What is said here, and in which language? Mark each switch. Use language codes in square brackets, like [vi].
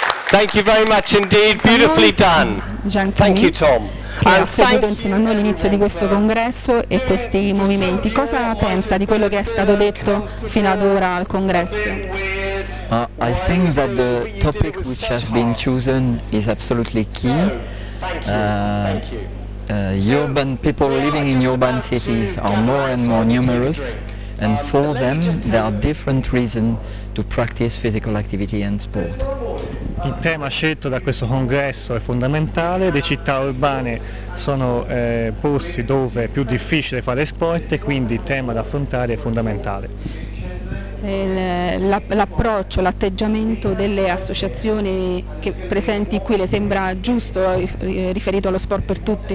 [en] Thank you very much indeed. Beautifully done. Thank you, Tom. [it] Che ha seguito insieme a noi l'inizio di questo congresso e questi movimenti. Cosa pensa di quello che è stato detto fino ad ora al congresso? [en] I think that the topic which has been chosen is absolutely key. Urban people living in urban cities are more and more numerous, and for them there are different reasons to practice physical activity and sport. [it] Il tema scelto da questo congresso è fondamentale. Le città urbane sono posti dove è più difficile fare sport, e quindi il tema da affrontare è fondamentale. L'approccio, l'atteggiamento delle associazioni che presenti qui le sembra giusto riferito allo sport per tutti?